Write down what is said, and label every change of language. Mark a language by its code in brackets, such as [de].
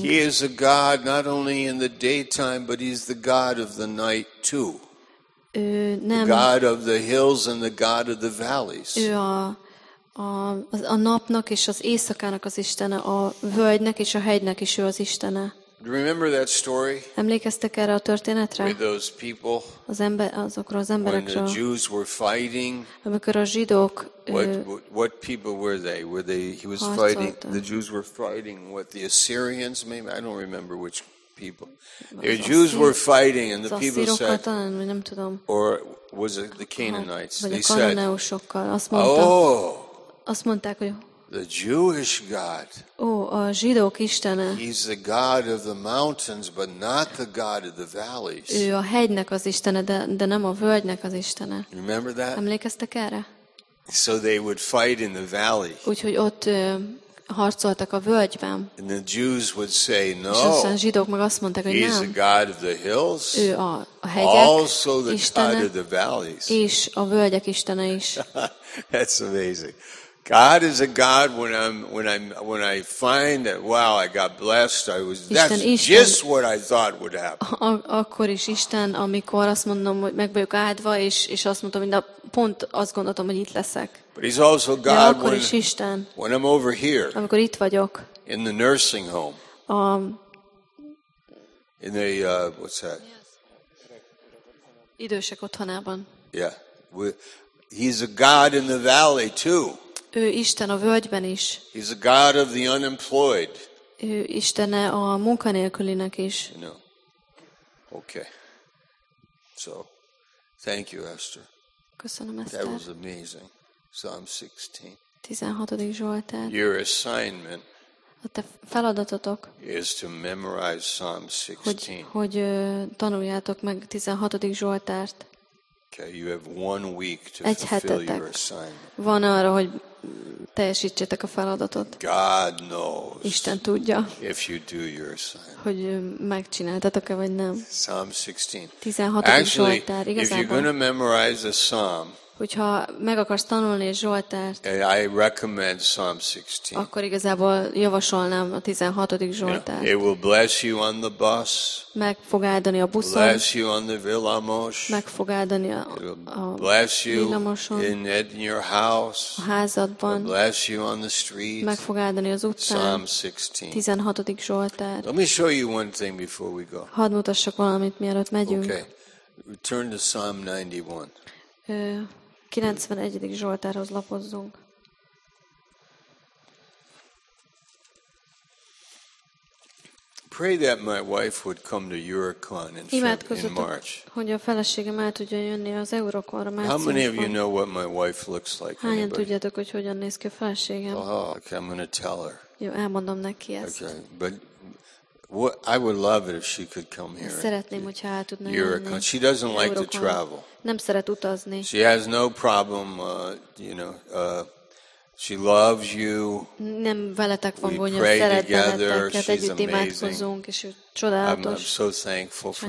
[en] He is a God not only in the daytime, but he's the God of the night too. [hu] Ő nem. [en] The God of the hills and the God of the valleys. [hu] Ő a a napnak és az éjszakának az istene, a völgynek és a hegynek is ő az istene. [en] Remember that story? [hu] Emlékeztek erre a történetre? [en] With those people, [hu] az ember, azokra az emberekről. [en] When the Jews were fighting. [hu] Amikor a zsidók. [en] What people were they? Were they? He was harcolta. Fighting. The Jews were fighting. What the Assyrians? Maybe I don't remember which people. The Jews were fighting, and the people said. [hu] Nem tudom. [en] Or was it the Canaanites? They said. [hu] Vagy a kananeusokkal. Azt mondta. Oh. Azt mondták, hogy. [en] The Jewish God. [hu] Oh, a zsidók istene. [en] He's the God of the mountains, but not the God of the valleys. [hu] Ő a hegynek az istene, de nem a völgynek az istene. [en] Remember that? [hu] Emlékeztek erre? [en] So they would fight in the valley. [hu] Úgyhogy ott harcoltak a völgyben. [en] And the Jews would say, no. [hu] És aztán a zsidók meg azt mondták, hogy nem. [en] He's the God of the hills. [hu] Ő a hegyek [en] also the [hu] istene. [en] God of the valleys. [hu] És a völgyek istene is. [en] That's amazing. God is a God when I find that, wow, I got blessed, I was, [hu] Isten, [en] that's [hu] Isten, [en] just what I thought would happen. [hu] Akkor is Isten, amikor azt mondom, hogy meg vagyok áldva, és azt mondtam, hogy na, pont azt gondoltam, hogy itt leszek. [en] But he's also God [hu] akkor is Isten, [en] when I'm over here, [hu] amikor itt vagyok, [en] in the nursing home, in the, what's that? [hu] Idősek otthonában. [en] Yeah, he's a God in the valley too. [hu] Ő Isten a völgyben is. [en] He's a God of the unemployed. [hu] Ő Istene a munkanélkülinek is. [en] No. Okay. So, thank you, Esther. [hu] Köszönöm, Esther. [en] That was amazing. Psalm 16. [hu] 16. Zsoltár. [en] Your assignment. [hu] A te feladatotok. [en] Is to memorize Psalm 16. [hu] Hogy tanuljátok meg 16. Zsoltárt. [en] Okay, you have 1 week to fulfill your assignment. [hu] Van arra, hogy teljesítsétek a feladatot. [en] God knows. [hu] Isten tudja. [en] If you do your assignment. [hu] Hogy megcsináltatok-e vagy nem. [en] Psalm 16. [hu] 16. Zsoltár, igazából. [en] If you're going to memorize a psalm. [hu] Hogyha meg akarsz tanulni a Zsoltárt. [en] I recommend Psalm 16. [hu] Akkor igazából javasolnám a 16. Zsoltárt. [en] Yeah. It will bless you on the bus. [hu] Meg fog áldani a buszon. [en] Bless you on the villamos. [hu] Meg fog áldani a [en] bless you [hu] villamoson. [en] In your house. [hu] A házadban. [en] It'll bless you on the street. [hu] Meg fog áldani az utcán. [en] Psalm 16. [hu] 16. Zsoltárt. [en] Let me show you one thing before we go. [hu] Hadd mutassak valamit, mielőtt megyünk. [en] Okay. Return to Psalm 91. [hu] 91. Zsoltárhoz lapozzunk. [en] Pray that my wife would come to Eurocon in March. [hu] Hogy a feleségem el tudjon jönni az Eurocon-ra márciusban. [en] How many of you know what my wife looks like? [hu] Hányan tudjátok, hogy hogyan néz ki a feleségem? [en] Oh, okay, I'm gonna tell her. [hu] Jó, elmondom neki ezt. [en] Okay, but I would love it if she could come here. [hu] Szeretném, hogyha el tudna jönni. [en] She doesn't like to travel. [hu] Nem szeret utazni. [en] She has no problem, you know. She loves you. [hu] Nem veletek van gondja, szeret benneteket, együtt imádkozunk, és csodálatos. [en] I'm so thankful for